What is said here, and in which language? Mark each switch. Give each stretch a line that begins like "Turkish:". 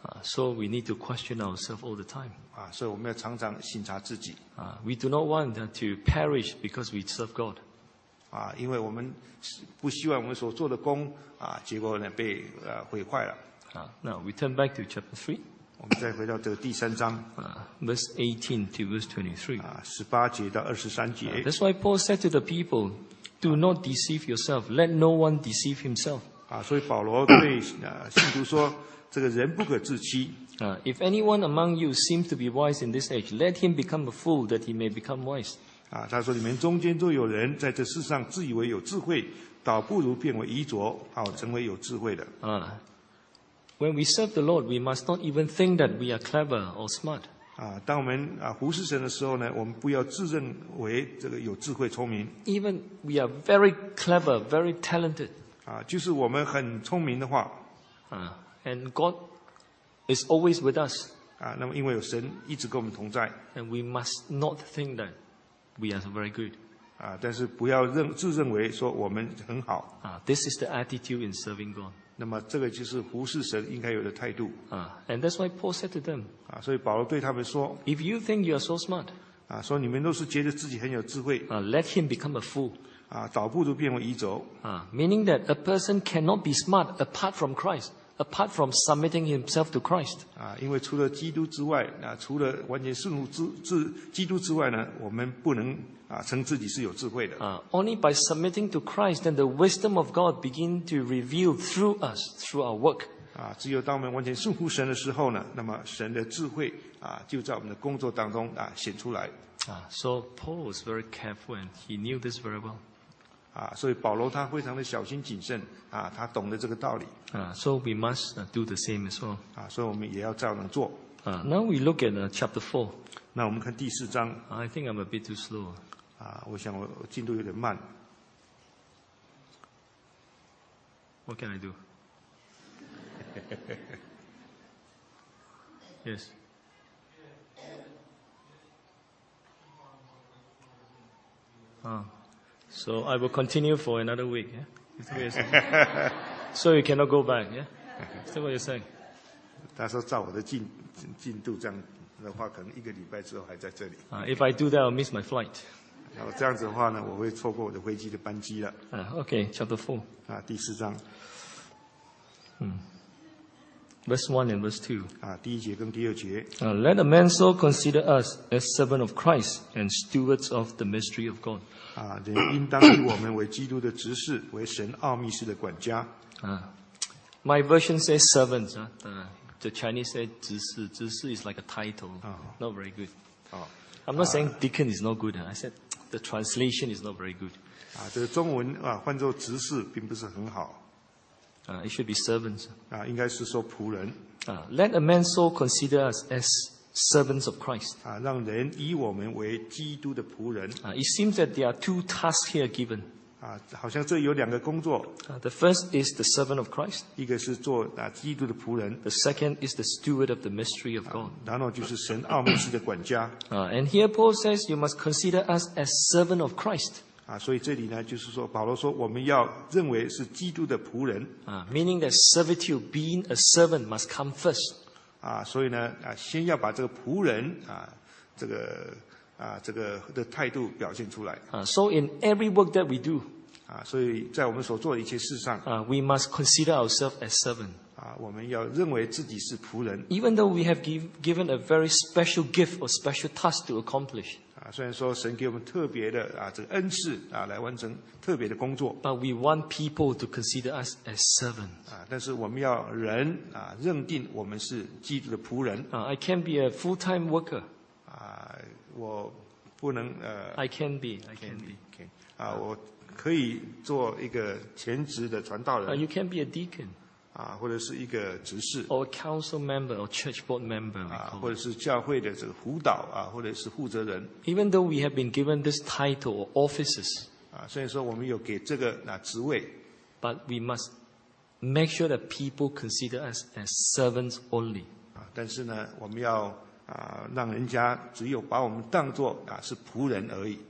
English: So we need to question ourselves all the time.
Chinese: 所以我们要常常省察自己。
English: We do not want to perish because we serve God.
Chinese: 因为我们不希望我们所做的工结果呢被毁坏了。
English: Now we turn back to chapter 3.
Chinese: 我们再回到这个第三章。
English: Verse 18 to verse 23.
Chinese: 十八节到二十三节。
English: That's why Paul said to the people,Do not deceive yourself. Let no one deceive himself.
Chinese: 所以保罗对信徒说，这个人不可自欺。
English: If anyone among you seems to be wise in this age, let him become a fool that he may become wise.
Chinese: 他说你们中间都有人在这世上自以为有智慧，倒不如变为愚拙，好成为有智慧的。
English: When we serve the Lord, we must not even think that we are clever or smart.
Chinese: 当我们服侍神的时候呢，我们不要自认为这个有智慧聪明。
English: Even we are very clever, very talented.
Chinese: 就是我们很聪明的话。
English: And God is always with us.
Chinese: 那么因为有神一直跟我们同在。
English: And we must not think that we are very good.
Chinese: 但是不要自认为说我们很好。
English: This is the attitude in serving God.
Chinese: 那么这个就是服侍神应该有的态度。
English: And that's why Paul said to them.
Chinese: 所以保罗对他们说。
English: If you think you are so smart.
Chinese: 说你们都是觉得自己很有智慧。
English: Let him become a fool.
Chinese: 倒不如变为愚拙。
English: Meaning that a person cannot be smart apart from Christ, apart from submitting himself to Christ.
Chinese: 因为除了基督之外，除了完全顺服基督之外呢，我们不能称自己是有智慧的。
English: Only by submitting to Christ, then the wisdom of God begin to reveal through us, through our work.
Chinese: 只有当我们完全顺服神的时候呢，那么神的智慧就在我们的工作当中显出来。
English: So Paul was very careful and he knew this very well.
Chinese: 所以保罗他非常的小心谨慎他懂得这个道理。
English: So we must do the same as well.
Chinese: 所以我们也要照样做。
English: Now we look at chapter 4.
Chinese: 那我们看第四章。
English: I think I'm a bit too slow.
Chinese: 我想我进度有点慢。
English: What can I do? Yes. So I will continue for another week. Yeah. So you cannot go back. Yeah. Is that what you're saying?
Chinese: 他说照我的进度这样的话，可能一个礼拜之后还在这里。
English: If I do that, I'll miss my flight.
Chinese: 然后这样子的话呢，我会错过我的飞机的班机了。
English: Okay, chapter 4.
Chinese: 第四章。
English: Verse 1 and verse 2.
Chinese: 第一节跟第二节。
English: Let a man so consider us as servants of Christ and stewards of the mystery of God.
Chinese: 人应当以我们为基督的执事，为神奥秘事的管家。
English: My version says servants. The Chinese say 执事。执事 is like a title. Not very good. I'm not saying deacon is not good. I said,The translation is not very good.
Chinese: 这个中文换作执事并不是很好。
English: It should be servants.
Chinese: 应该是说仆人。
English: Let a man so consider us as servants of Christ.
Chinese: 让人以我们为基督的仆人。
English: It seems that there are two tasks here given.
Chinese: 好像这有两个工作。
English: The first is the servant of Christ.
Chinese: 一个是做基督的仆人。
English: The second is the steward of the mystery of God.
Chinese: 然后就是神奥秘事的管家。
English: And here Paul says, you must consider us as servant of Christ.
Chinese: 所以这里呢，就是说保罗说我们要认为是基督的仆人。
English: Meaning that servitude, being a servant, must come first.
Chinese: 所以呢，先要把这个仆人这个。这个的态度表现出来。
English: So in every work that we do,
Chinese: 所以在我们所做的一切事上，
English: we must consider ourselves as servant.
Chinese: 我们要认为自己是仆人。
English: Even though we have given a very special gift or special task to accomplish.
Chinese: 虽然说神给我们特别的这个恩赐来完成特别的工作。
English: But we want people to consider us as servant.
Chinese: 但是我们要人认定我们是基督的仆人。
English: I can be a full-time worker.
Chinese: 我不能
English: I can be.
Chinese: 我可以做一个全职的传道人。
English: You can be a deacon.
Chinese: 或者是一个执事。
English: Or a council member or church board member.
Chinese: 或者是教会的这个辅导或者是负责人。
English: Even though we have been given this title or offices.
Chinese: 虽然说我们有给这个职位。
English: But we must make sure that people consider us as servants only.
Chinese: 但是呢我们要让人家只有把我们当作是仆人而已。